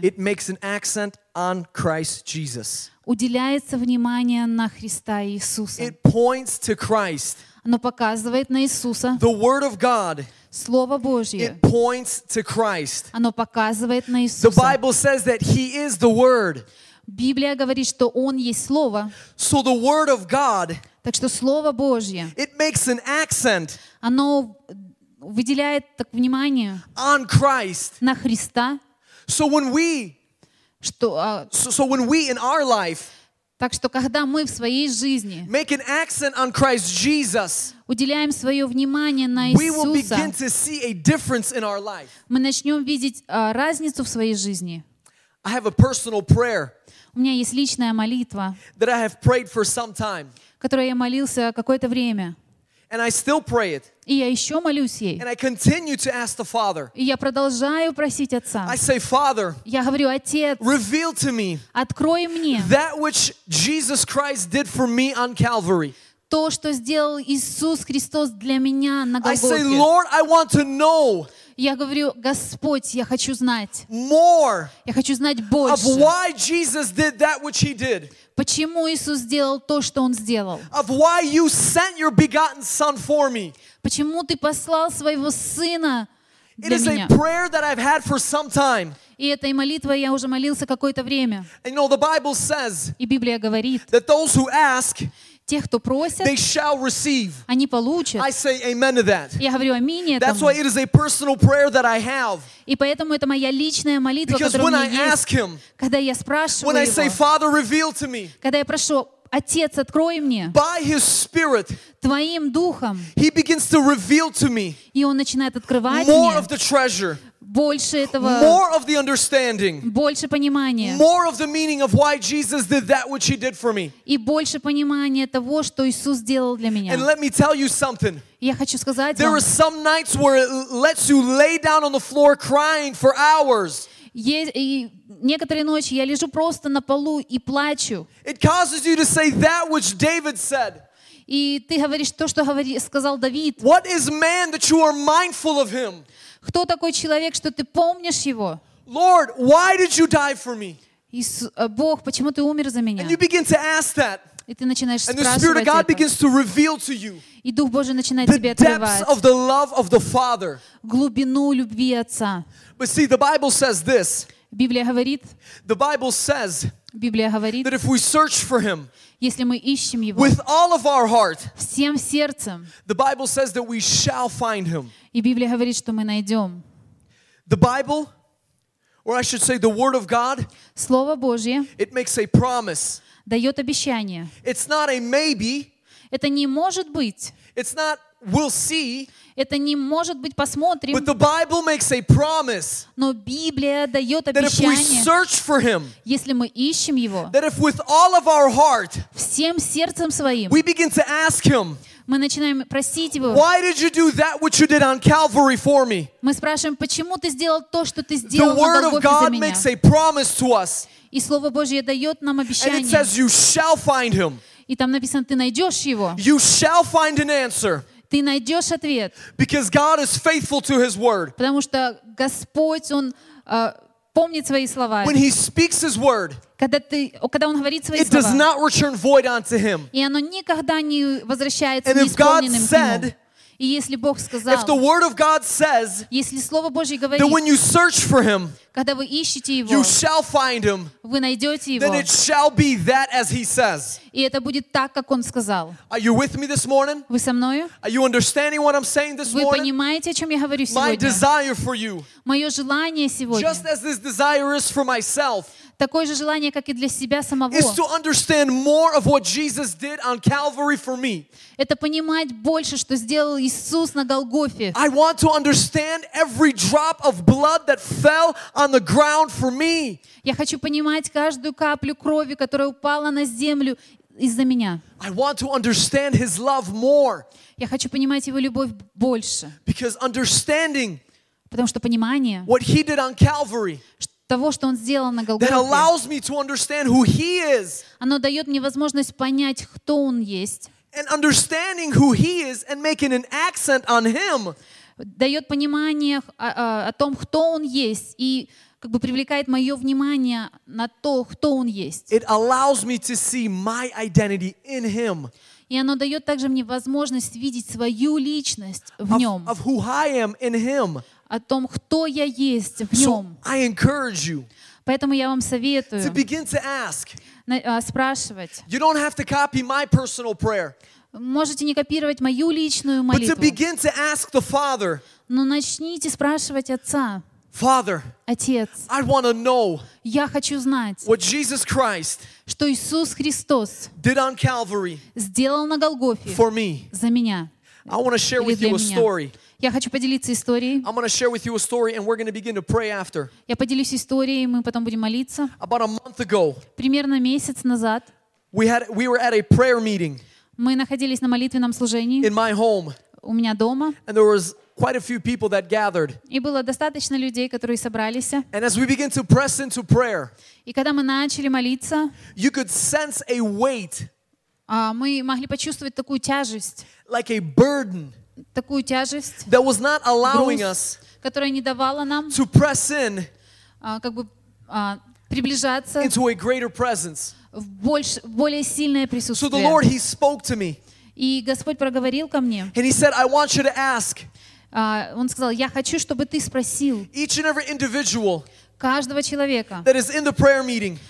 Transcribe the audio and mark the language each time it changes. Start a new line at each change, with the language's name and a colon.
English: it makes an accent on Christ Jesus.
Russian: Уделяется внимание на Христа Иисуса.
English: It points to Christ.
Russian: Оно показывает на Иисуса.
English: The word of God,
Russian: Слово Божье,
English: it points to Christ.
Russian: Оно показывает на Иисуса.
English: The Bible says that he is the word.
Russian: Библия говорит, что он есть Слово.
English: So the word of God,
Russian: так что Слово Божье,
English: it makes an accent,
Russian: оно выделяет так внимание
English: on Christ.
Russian: На Христа.
English: So when we,
Russian: что,
English: so when we in our life,
Russian: так что когда мы в своей жизни
English: make an accent on Christ Jesus,
Russian: уделяем свое внимание на
English: we
Russian: Иисуса,
English: will begin to see a difference in our life.
Russian: Мы начнем видеть разницу в своей жизни.
English: I have a personal prayer,
Russian: у меня есть личная молитва,
English: that I have prayed for some time,
Russian: которую я молился какое-то время.
English: And I still pray it.
Russian: И я еще молюсь ей.
English: And I continue to ask the Father.
Russian: И я продолжаю просить Отца.
English: I say, Father,
Russian: я говорю, Отец,
English: reveal to me,
Russian: открой мне,
English: that which Jesus Christ did for me on Calvary.
Russian: То, что сделал Иисус Христос для меня на Голгофе.
English: I say, Lord, I want to know.
Russian: Я говорю, Господь, я хочу знать.
English: More.
Russian: Я хочу знать больше.
English: Of why Jesus did that which he did.
Russian: Почему Иисус сделал то, что Он сделал?
English: Of why you sent your begotten Son for me.
Russian: Почему Ты послал Своего Сына для меня?
English: It is a prayer that I've had for some time.
Russian: И этой молитвой я уже молился какое-то время.
English: And you know, the Bible says,
Russian: и Библия говорит,
English: that those who ask,
Russian: те, кто просят,
English: they shall receive.
Russian: Они получат.
English: I say amen to that.
Russian: Я говорю аминь этому.
English: That's why it is a personal prayer that I have.
Russian: И поэтому это моя личная молитва,
English: because
Russian: которая
English: when
Russian: у меня
English: I
Russian: есть.
English: Ask him,
Russian: когда я спрашиваю
English: when
Russian: его,
English: I say, Father, reveal to me,
Russian: когда я прошу, Отец, открой мне,
English: by his spirit,
Russian: Твоим Духом,
English: he begins to reveal to me,
Russian: и Он начинает открывать
English: more
Russian: мне
English: of the treasure,
Russian: больше этого,
English: more of the understanding,
Russian: больше понимания,
English: more of the meaning of why Jesus did that which he did for me,
Russian: и больше понимания того, что Иисус сделал для меня.
English: And let me tell you something.
Russian: Я хочу сказать вам,
English: there are some nights where it lets you lay down on the floor crying for hours.
Russian: И некоторые ночи я лежу просто на полу и плачу.
English: It causes you to say that which David said.
Russian: И ты говоришь то, что сказал Давид.
English: What is man that you are mindful of him?
Russian: Кто такой человек, что ты помнишь его?
English: Lord, why did you die for me?
Russian: Бог, почему ты умер за меня?
English: And you begin to ask that.
Russian: И ты начинаешь спрашивать это.
English: And the Spirit of God begins to reveal to you.
Russian: И Дух Божий начинает тебе открывать.
English: The depths of the love of the Father.
Russian: Глубину любви Отца.
English: But see, the Bible says this.
Russian: Библия говорит.
English: The Bible says.
Russian: Библия говорит.
English: That if we search for Him.
Russian: Если мы ищем Его.
English: With all of our heart.
Russian: Всем сердцем.
English: The Bible says that we shall find Him.
Russian: И Библия говорит, что мы найдем.
English: The Bible, or I should say, the Word of God.
Russian: Слово Божье.
English: It makes a promise.
Russian: Дает обещание.
English: It's not a maybe.
Russian: Это не может быть.
English: It's not we'll see.
Russian: Это не может быть, посмотрим.
English: But the Bible makes a promise.
Russian: Но Библия дает обещание.
English: That if we search for Him.
Russian: Если мы ищем Его.
English: That if with all of our heart.
Russian: Всем сердцем своим.
English: We begin to ask Him.
Russian: Мы начинаем просить Его.
English: Why did you do that which you did on Calvary for me?
Russian: Мы спрашиваем, почему ты сделал то, что ты сделал на Голгофе за меня?
English: The Word of God makes a promise to us.
Russian: И Слово Божье дает нам обещание.
English: And it says, you shall find him.
Russian: И там написано, ты найдешь его.
English: You shall find an answer.
Russian: Ты найдешь ответ.
English: Because God is faithful to his word.
Russian: Потому что Господь, Он помнит свои слова.
English: When he speaks his word,
Russian: когда он говорит свои
English: it
Russian: слова,
English: does not return void unto him.
Russian: И оно никогда не возвращается неисполненным к нему. И если Бог сказал,
English: if the Word of God says,
Russian: если Слово Божье говорит,
English: then when you search for Him,
Russian: когда вы ищете Его,
English: you shall find Him,
Russian: вы найдете Его,
English: then it shall be that as He says.
Russian: И это будет так, как Он сказал.
English: Are you with me this morning?
Russian: Вы со мною?
English: Are you understanding what I'm saying this
Russian: вы
English: morning?
Russian: Вы понимаете, о чем я говорю
English: my
Russian: сегодня?
English: My desire for you,
Russian: мое желание сегодня,
English: just as this desire is for myself,
Russian: такое же желание, как и для себя самого.
English: Is to understand more of what Jesus did on Calvary for me.
Russian: Это понимать больше, что сделал Иисус на Голгофе.
English: I want to understand every drop of blood that fell on the ground for me.
Russian: Я хочу понимать каждую каплю крови, которая упала на землю из-за меня.
English: I want to understand His love more.
Russian: Я хочу понимать Его любовь больше.
English: Because understanding.
Russian: Потому что понимание.
English: What He did on Calvary.
Russian: Того, что он сделал на Голгофе.
English: That allows me to understand who he is.
Russian: Оно дает мне возможность понять, кто он есть.
English: And understanding who he is and making an accent on him.
Russian: Дает понимание о том, кто он есть, и как бы привлекает мое внимание на то, кто он есть.
English: It allows me to see my identity in him.
Russian: И оно дает также мне возможность видеть свою личность в нем.
English: Of who I am in him.
Russian: О том, кто я есть в нем.
English: I encourage you.
Russian: Поэтому я вам советую.
English: To begin to ask.
Russian: Спрашивать.
English: You don't have to copy my personal prayer.
Russian: Можете не копировать мою личную молитву.
English: But to begin to ask the Father.
Russian: Но начните спрашивать Отца.
English: Father.
Russian: Отец.
English: I want to know.
Russian: Я хочу знать.
English: What Jesus Christ.
Russian: Что Иисус Христос.
English: Did on Calvary.
Russian: Сделал на Голгофе.
English: For me.
Russian: За меня.
English: I want to share with you a story.
Russian: Я хочу поделиться историей.
English: I'm going to share with you a story, and we're going to begin to pray after.
Russian: Я поделюсь историей, мы потом будем молиться.
English: About a month ago.
Russian: Примерно месяц назад.
English: We were at a prayer meeting.
Russian: Мы находились на молитвенном служении.
English: In my home.
Russian: У меня дома.
English: And there was quite a few people that gathered.
Russian: И было достаточно людей, которые собрались.
English: And as we began to press into prayer.
Russian: И когда мы начали молиться.
English: You could sense a weight.
Russian: Мы могли почувствовать такую тяжесть.
English: Like a burden.
Russian: Такую тяжесть,
English: that was not allowing us,
Russian: которая не давала нам,
English: to press in,
Russian: как бы приближаться,
English: into a greater presence,
Russian: в более сильное присутствие.
English: So the Lord, He spoke to me,
Russian: и Господь проговорил ко мне,
English: and He said, I want you to ask,
Russian: он сказал, я хочу, чтобы ты спросил,
English: each and every individual,
Russian: каждого человека,
English: that is in the prayer meeting,